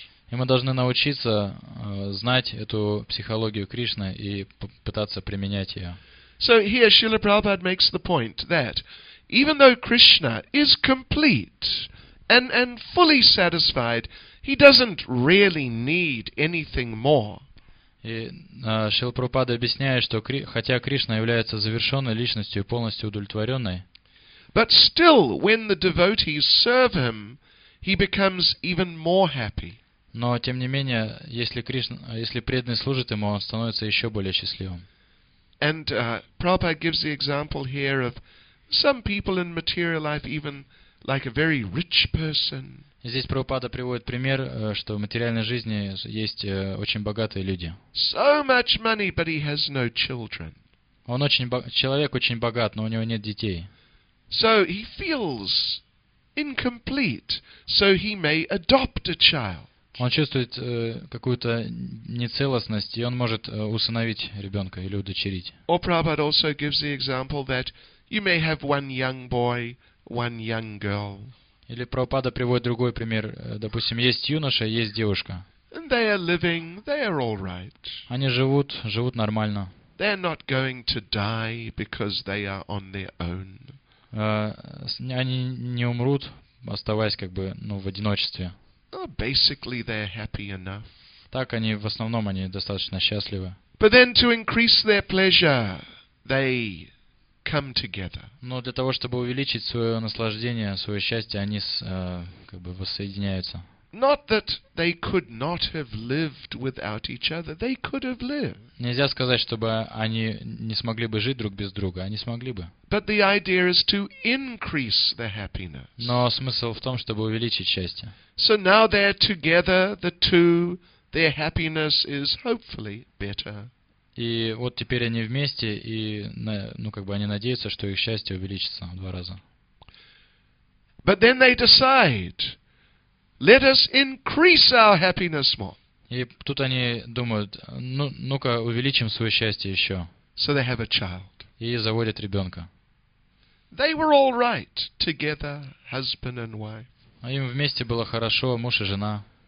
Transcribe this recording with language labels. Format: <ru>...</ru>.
<ru>И мы должны научиться знать эту психологию Кришны и пытаться применять ее.</ru> <en>So here Srila Prabhupada makes the point that even though Krishna is complete and fully satisfied, he doesn't really need anything more.</en> <ru>И Шрила Прабхупада объясняет, что хотя Кришна является завершенной личностью и полностью удовлетворенной,</ru> <en>but still when the devotees serve him, he becomes even more happy.</en> <ru>Но тем не менее, если преданный служит ему, он становится еще более счастливым.</ru> <en>And Prabhupada gives the example here of some people in material life, even like a very rich person.</en> <ru>Здесь Прабхупада приводит пример, что в материальной жизни есть очень богатые люди.</ru> <en>So much money, but he has no children.</en> <ru>Человек очень богат, но у него нет детей.</ru> <en>So he feels incomplete, so he may adopt a child.</en> <ru>Он чувствует какую-то нецелостность, и он может усыновить ребенка или удочерить.</ru> <en>Or Prabhupada also gives the example that you may have one young boy, one young girl.</en> <ru>Или Прабхупада приводит другой пример. Допустим, есть юноша, есть девушка.</ru> <en>And they are living, they are all right.</en> <ru>Они живут, живут нормально.</ru> <en>They are not going to die because they are on their own.</en> <ru>Они не умрут, оставаясь как бы, ну, в одиночестве.</ru> <en>Oh, basically they're happy enough.</en> <ru>Так они в основном они достаточно счастливы.</ru> <en>But then to increase their pleasure, they come together.</en> <ru>Но для того, чтобы увеличить свое наслаждение, свое счастье, они как бы воссоединяются.</ru> <en>Not that they could not have lived without each other. They could have lived.</en> <ru>Нельзя сказать, чтобы они не смогли бы жить друг без друга. Они смогли бы.</ru> <en>But the idea is to increase the happiness.</en> <ru>Но смысл в том, чтобы увеличить счастье.</ru> <en>So now they're together, the two, their happiness is hopefully better.</en> <ru>И вот теперь они вместе, и ну как бы они надеются, что их счастье увеличится в два раза.</ru> <en>But then they decide, let us increase our happiness more.</en> <ru>И тут они думают, ну-ка увеличим свое счастье еще.</ru> <en>So they have a child.</en> <ru>И заводят ребенка.</ru> <en>They were all right together, husband and wife.</en> <ru>А им вместе было хорошо, муж и жена.</ru>